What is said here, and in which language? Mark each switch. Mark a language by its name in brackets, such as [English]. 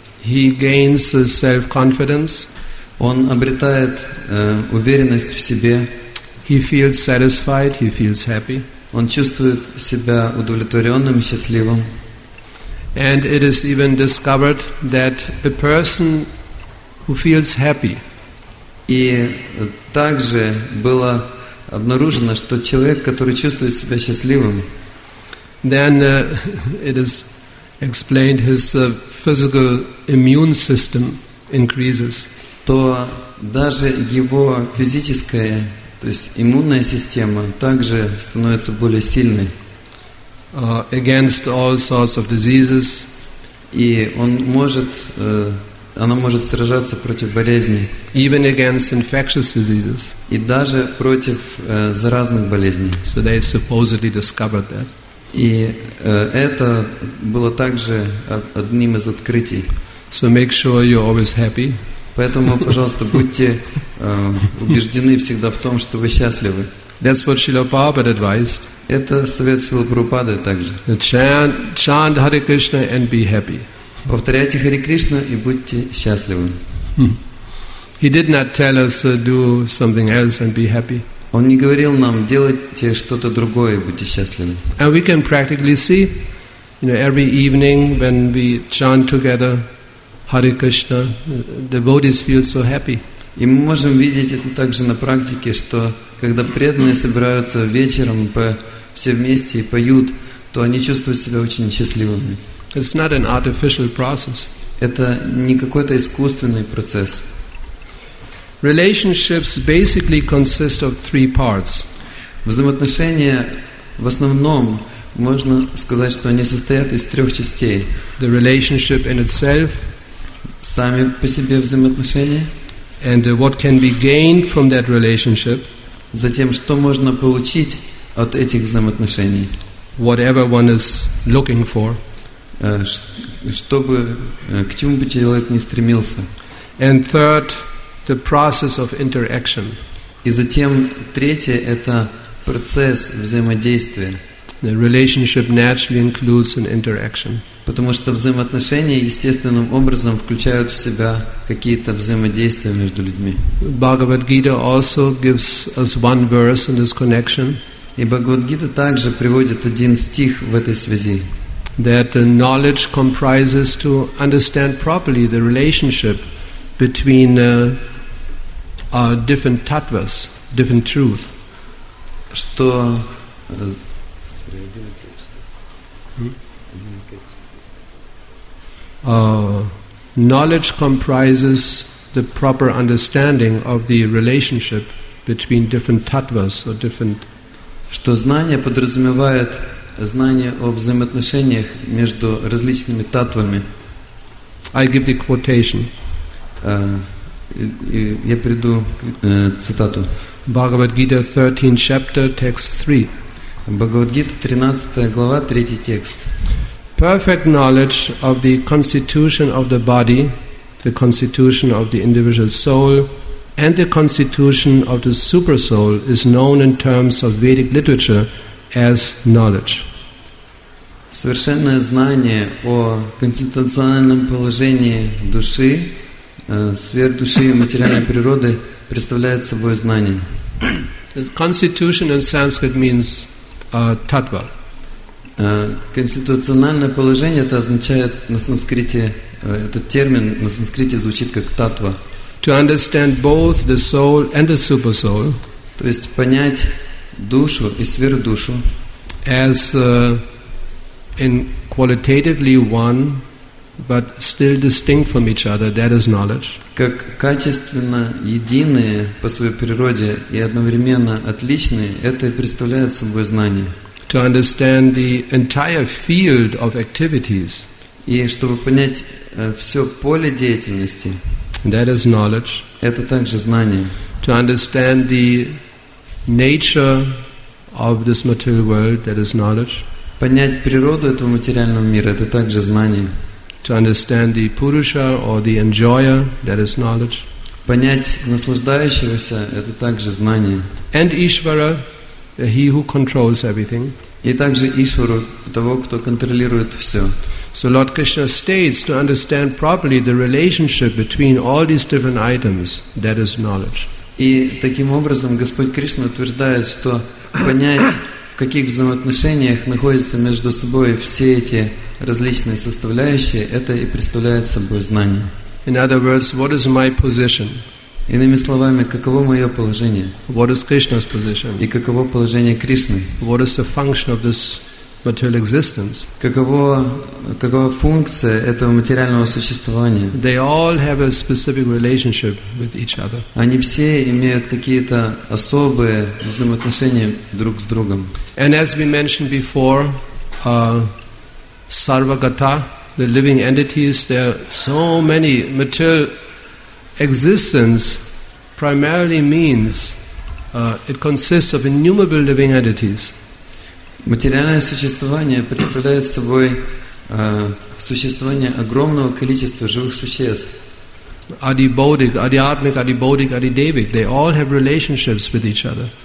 [English] He gains self-confidence. [Russian] Он обретает уверенность в себе. [English] He feels satisfied. He feels happy. [Russian] Он чувствует себя удовлетворенным и счастливым. [English] And it is even discovered that a person who feels happy. [Russian] И также было обнаружено, что человек, который чувствует себя счастливым, [English] then it is explained his physical immune system increases. [Russian] То даже его физическая, то есть иммунная система, также становится более сильной. [English] Against all sorts of diseases. [Russian] И он может, она может сражаться против болезней. [English] Even against infectious diseases. [Russian] И даже против заразных болезней. [English] So they supposedly discovered that. [Russian] И это было также одним из открытий. [English] So make sure you're always happy. [Russian] Поэтому, пожалуйста, будьте убеждены всегда в том, что вы счастливы. [English] That's what Srila Prabhupada advised. [Russian] Это совет Шрилы Прабхупады также. [English] Chant Hare Krishna and be happy. [Russian] Повторяйте Харе Кришна и будьте счастливы. [English] He did not tell us do something else and be happy. [Russian] Он не говорил нам делайте что-то другое и будьте счастливы. [English] And we can practically see, you know, every evening when we chant together Hare Krishna, devotees feel so happy. [Russian] И мы можем видеть это также на практике, что когда преданные собираются вечером все вместе и поют, то они чувствуют себя очень счастливыми. [English] It's not an artificial process. [Russian] Это не какой-то искусственный процесс. [English] Relationships basically consist of three parts. [Russian] Взаимоотношения в основном можно сказать, что они состоят из трех частей. [English] The relationship in itself. [Russian] Сами по себе взаимоотношения. [English] And what can be gained from that relationship. [Russian] Затем, что можно получить от этих взаимоотношений. [English] Whatever one is looking for. [Russian] Чтобы, к чему бы человек ни стремился. [English] And third, the process of interaction. [Russian] И затем третье – это процесс взаимодействия. [English] The relationship naturally includes an interaction. [Russian] Потому что взаимоотношения естественным образом включают в себя какие-то взаимодействия между людьми. [English] Bhagavad Gita also gives us one verse in this connection. [Russian] И Бхагавад Гита также приводит один стих в этой связи. [English] That the knowledge comprises to understand properly the relationship between different tattvas, different truth. [Russian] Что [English] Knowledge comprises the proper understanding of the relationship between different tattvas or different. [Russian] Что знание подразумевает знание о взаимоотношениях между различными таттвами. [English] I give the quotation. [Russian] Я приду к цитату. [English] Bhagavad Gita 13 chapter text 3. [Russian] Bhagavad Gita 13 глава 3 текст. [English] Perfect knowledge of the constitution of the body, the constitution of the individual soul, and the constitution of the super soul is known in terms of Vedic literature as knowledge. [Russian] Совершенное знание о конституциональном положении души, сверхдуши и материальной природы представляет собой знание. [English] The constitution in Sanskrit means tattva. [Russian] Конституциональное положение это означает на санскрите, этот термин на санскрите звучит как таттва. [English] To understand both the soul and the super soul. [Russian] То есть понять душу и сверхдушу. [English] As in qualitatively one, but still distinct from each other, that is knowledge. [Russian] Как качественно единые по своей природе и одновременно отличные, это и представляет собой знание. [English] To understand the entire field of activities. [Russian] И чтобы понять все поле деятельности. [English] That is knowledge. [Russian] Это также знание. [English] To understand the nature of this material world, that is knowledge. [Russian] Понять природу этого материального мира, это также знание. [English] To understand the purusha or the enjoyer, that is knowledge. [Russian] Понять наслаждающегося, это также знание. [English] And Ishvara, he who controls everything. [Russian] И также Ишвару, того, кто контролирует все. [English] So Lord Krishna states to understand properly the relationship between all these different items, that is knowledge. [Russian] И таким образом Господь Кришна утверждает, что понять, в каких взаимоотношениях находятся между собой все эти различные составляющие, это и представляет собой знание. [English] In other words, what is my position? [Russian] Иными словами, каково мое положение? [English] What is Krishna's position? [Russian] И каково положение Кришны? [English] What is the function of this material existence? [Russian] Какова функция этого материального существования? [English] They all have a specific relationship with each other. [Russian] Они все имеют какие-то особые взаимоотношения друг с другом. [English] And as we mentioned before, sarvagata, the living entities, there are so many material existence primarily means it consists of innumerable living entities. [Russian] Материальное существование представляет собой существование огромного количества живых существ. [English] Adibodhik, adiatmik, adibodhik, adidevik, they all have relationships with each other.